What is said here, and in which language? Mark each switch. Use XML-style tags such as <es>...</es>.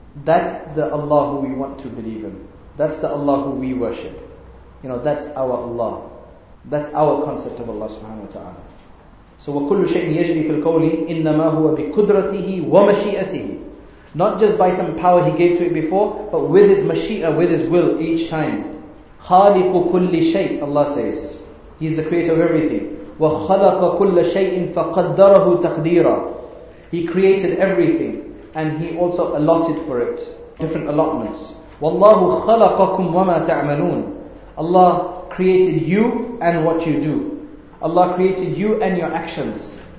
<en>That's the Allah who we want to believe in. That's the Allah who we worship. You know, that's our Allah. That's our concept of Allah subhanahu wa ta'ala. So</en> <ar>وَكُلُّ شَيْءٍ يَجْرِي فِي الْكَوْنِ إِنَّمَا هُوَ بِقُدْرَتِهِ وَمَشِيئَتِهِ.</ar> <en>Not just by some power He gave to it before, but with His mashi'ah, with His will each time.</en> <ar>خَالِقُ كُلِّ شَيْءٍ,</ar> <en>Allah says. He is the creator of everything.</en> <ar>وَخَلَقَ كُلَّ شَيْءٍ فَقَدَّرَهُ تَقْدِيرًا.</ar> <en>He created everything, and He also allotted for it different allotments.</en> <ar>وَاللَّهُ خَلَقَكُمْ وَمَا تَعْمَلُونَ.</ar> <en>Allah created you and what you do. Allah created you and your actions.</en>